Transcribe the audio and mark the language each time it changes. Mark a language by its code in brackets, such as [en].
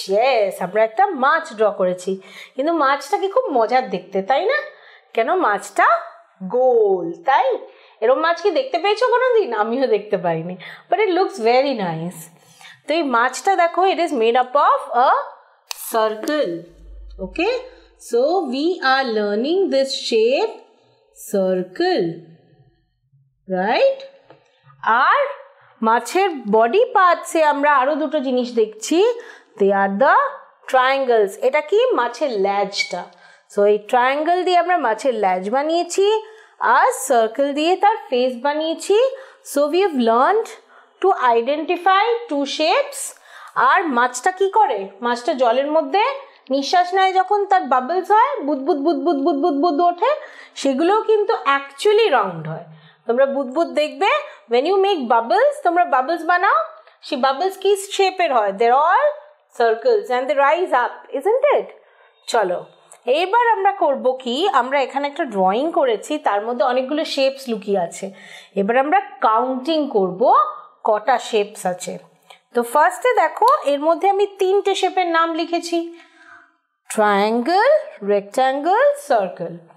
[bn] Yes, আমরা একটা মাছ draw করেছি, কিন্তু মাছটা কি খুব মজার দেখতে, তাই না? কেন মাছটা গোল, তাই? এরকম মাছ কি দেখতে পেয়েছো কোনোদিন? আমিও দেখতে পাইনি, [en] But it looks very nice. [bn] তো এই মাছটা দেখো, [en] It is made up of a circle. Okay, so we are learning this shape circle, right? [bn] আর মাছের বডি পার্টসে আমরা আরো দুটো জিনিস দেখছি, [en] they are the triangles. [bn] এটা কি? মাছের ল্যাজটা. সো এই ট্রায়াঙ্গেল দিয়ে আমরা মাছের ল্যাজ বানিয়েছি আর সার্কেল দিয়ে তার ফেস বানিয়েছি. [en] So we have learned to identify two shapes. [bn] আর মাছটা কি করে? মাছটা জলের মধ্যে নিঃশ্বাস নেয় যখন, তার বাবলস হয়, বুদবুদ বুদবুদ বুদবুদ বুদ ওঠে, সেগুলো কিন্তু অ্যাকচুয়ালি রাউন্ড হয়। তোমরা বুদবুদ দেখবে, [en] when you make bubbles, [bn] তোমরা bubbles বানাও, সেই bubbles কি শেপের হয়? [en] They're all circles and they rise up, isn't it? [bn] চলো, এবার আমরা করব কি, আমরা এখানে একটা ড্রয়িং করেছি, তার মধ্যে অনেকগুলো শেপস লুকিয়ে আছে। এবার আমরা কাউন্টিং করব কটা শেপস আছে। তো ফার্স্টে দেখো, এর মধ্যে আমি তিনটে শেপের নাম লিখেছি, ট্রায়াঙ্গেল, রেক্ট্যাঙ্গেল, সার্কেল।